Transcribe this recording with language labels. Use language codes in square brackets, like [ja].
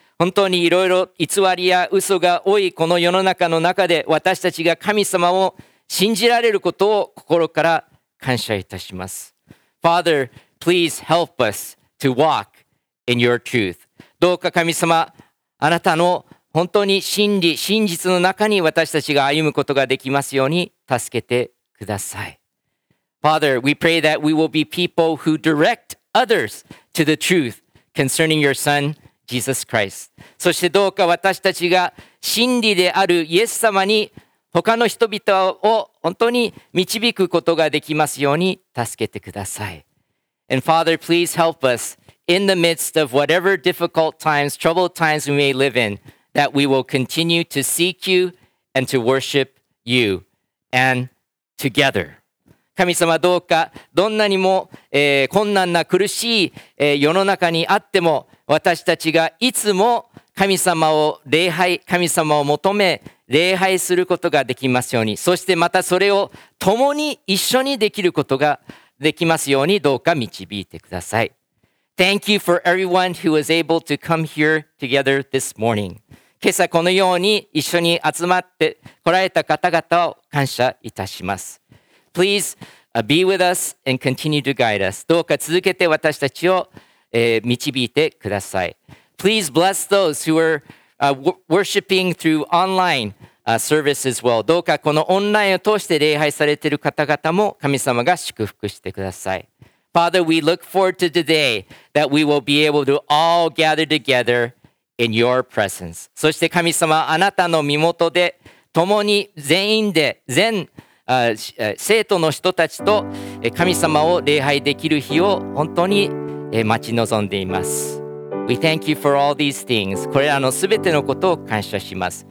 [ja] 本当にいろいろ偽りや嘘が多いこの世の中の中で私たちが神様を信じられることを心から感謝いたします。 [en] Father, please help us to walk in your truth. [ja] どうか神様、あなたの本当に真理、真実の中に私たちが歩むことができますように助けてください。 [en] Father, we pray that we will be people who directothers to the truth concerning your son, Jesus Christ. [ja] そしてどうか私たちが真理であるイエス様に他の人々を本当に導くことができますように助けてください。 [en] And Father, please help us in the midst of whatever difficult times, troubled times we may live in, that we will continue to seek you and to worship you and together. [ja] 神様どうかどんなにも、困難な苦しい、世の中にあっても私たちがいつも神様を礼拝神様を求め礼拝することができますようにそしてまたそれを共に一緒にできることができますようにどうか導いてください。 [en] Thank you for everyone who was able to come here together this morning. [ja] 今朝このように一緒に集まって来られた方々を感謝いたします。 [en] Please be with us and continue to guide us. [ja] どうか続けて私たちを、導いてください。 [en] Please bless those who are worshiping through online service as well. [ja] どうかこのオンラインを通して礼拝されている方々も神様が祝福してください。 [en] Father, we look forward to the day that we will be able to all gather together in your presence. [ja] そして神様、あなたの身元で共に全員で全生徒の人たちと神様を礼拝できる日を本当に待ち望んでいます。 [en] We thank you for all these things. [ja] これらのすべてのことを感謝します。